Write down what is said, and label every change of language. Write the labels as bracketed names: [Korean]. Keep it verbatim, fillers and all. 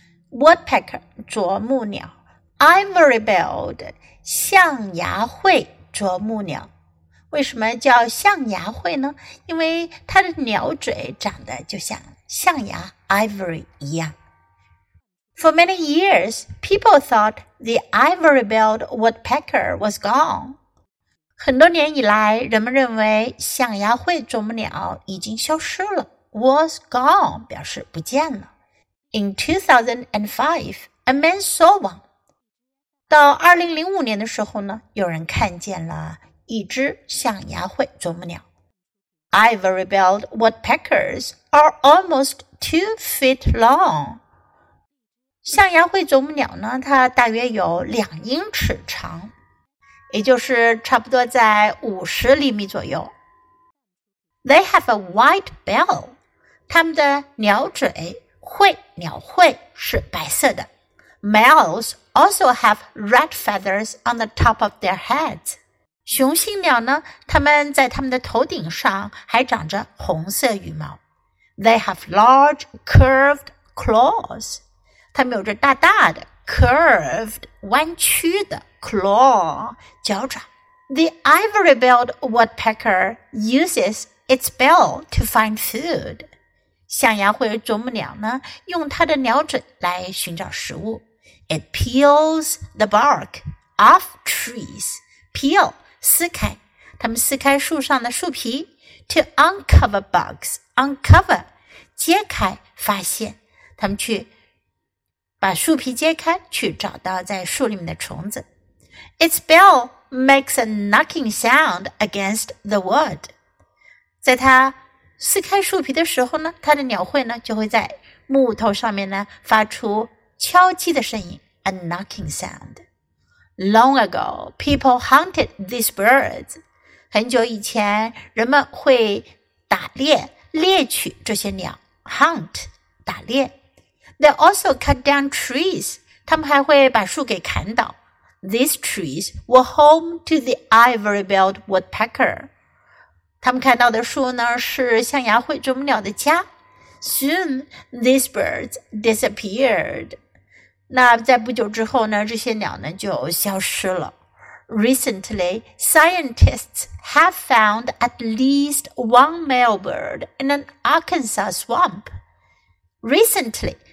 [Chinese] Woodpecker, 啄木鸟 ivory-billed, 象牙喙啄木鸟。为什么叫象牙喙呢？因为它的鸟嘴长得就像象牙 ivory 一样。 [English] For many years, people thought the ivory-billed woodpecker was gone. [Chinese] 很多年以来，人们认为象牙喙啄木鸟已经消失了。 [English] Was gone [Chinese] 表示不见了。 [English] In two thousand five, a man saw one. [Chinese] 到二零零五年的时候呢，有人看见了一只象牙喙啄木鸟。 [English] Ivory-billed woodpeckers are almost two feet long. [Chinese] 象牙喙啄木鸟呢，它大约有两英尺长，也就是差不多在五十厘米左右。 [English] They have a white bill. [Chinese] 它们的鸟嘴喙鸟喙是白色的。 [English] Males also have red feathers on the top of their heads. [Chinese] 雄性鸟呢，它们在它们的头顶上还长着红色羽毛。 [English] They have large curved claws. [Chinese] 它们有着大大的 curved 弯曲的 claw 脚爪。 [English] The ivory-billed woodpecker uses its bill to find food. [Chinese] 象牙喙啄木鸟呢，用它的鸟嘴来寻找食物。 [English] It peels the bark off trees. [Chinese] Peel 撕开，它们撕开树上的树皮 [English] to uncover bugs. [Chinese] Uncover 揭开发现，它们去。把树皮揭开去找到在树里面的虫子。 [English] Its bill makes a knocking sound against the wood. [Chinese] 在它撕开树皮的时候呢，它的鸟喙呢就会在木头上面呢发出敲击的声音 [English] a knocking sound. Long ago, people hunted these birds. [Chinese] 很久以前，人们会打猎，猎取这些鸟 hunt, 打猎。 [English] They also cut down trees. [Chinese] 他们还会把树给砍倒。 [English] These trees were home to the ivory-billed woodpecker. [Chinese] 他们砍倒的树呢，是象牙喙啄木鸟的家。 [English] Soon, these birds disappeared. [Chinese] 那在不久之后呢，这些鸟呢就消失了。 [English] Recently, scientists have found at least one male bird in an Arkansas swamp. Recently.